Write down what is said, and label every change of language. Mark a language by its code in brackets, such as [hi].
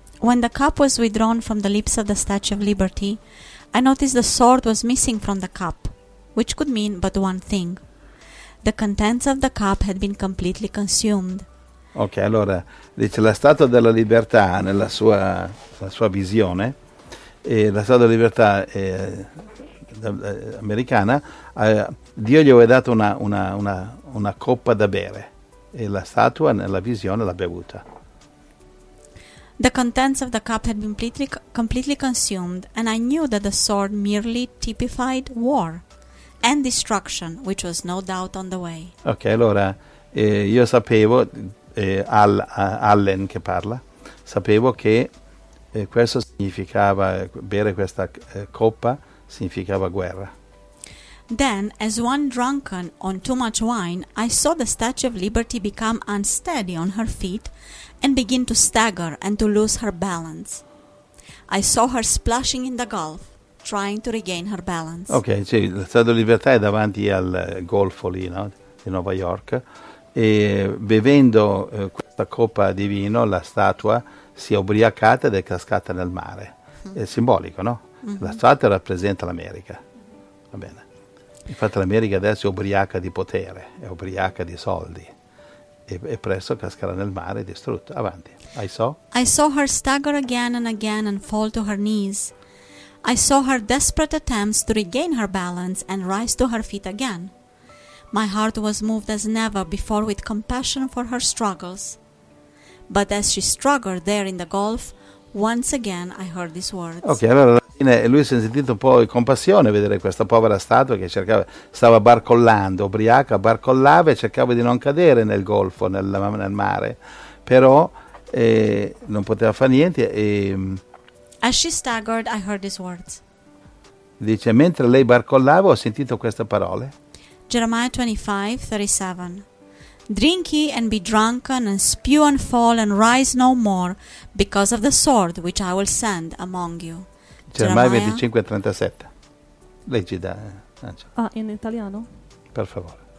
[en] When the cup was withdrawn from the lips of the Statue of Liberty, I noticed the sword was missing from the cup, which could mean but one thing. The contents of the cup had been completely consumed. [it] Ok, allora, dice la Statua della Libertà nella sua visione, e la Statua della Libertà americana, Dio gli aveva dato una coppa da bere. E la statua nella visione l'ha bevuta. [en] The contents of the cup had been completely consumed, and I knew that the sword merely typified war and destruction, which was no doubt on the way. [it] Ok, allora io sapevo, Allen che parla, sapevo che questo significava, bere questa coppa significava guerra. [en] Then, as one drunken on too much wine, I saw the Statue of Liberty become unsteady on her feet and begin to stagger and to lose her balance. I saw her splashing in the gulf, trying to regain her balance. [it] Ok, cioè, la Statua di Libertà è davanti al golfo lì, no? Di Nova York, e bevendo questa coppa di vino la statua si è ubriacata ed è cascata nel mare. È simbolico, no? La statua rappresenta l'America. Va bene. Infatti l'America adesso è ubriaca di potere, è ubriaca di soldi. E presto cascherà nel mare distrutta. Avanti. [en] I saw her stagger again and fall to her knees. I saw her desperate attempts to regain her balance and rise to her feet again. My heart was moved as never before with compassion for her struggles. But as she struggled there in the gulf, once again I heard these words. [it] Ok, allora alla fine lui si è sentito un po' di compassione vedere questa povera statua che cercava, stava barcollando, ubriaca, barcollava e cercava di non cadere nel golfo, nel mare, però non poteva fare niente e... [en] As she staggered, I heard these words. [it] Dice, mentre lei barcollava, ho sentito queste parole. [en] Jeremiah 25:37. Drink ye and be drunken, and spew and fall, and rise no more, because of the sword which I will send among you. [it] Jeremiah 25:37. Leggi da Angela. Ah, in italiano? Per favore.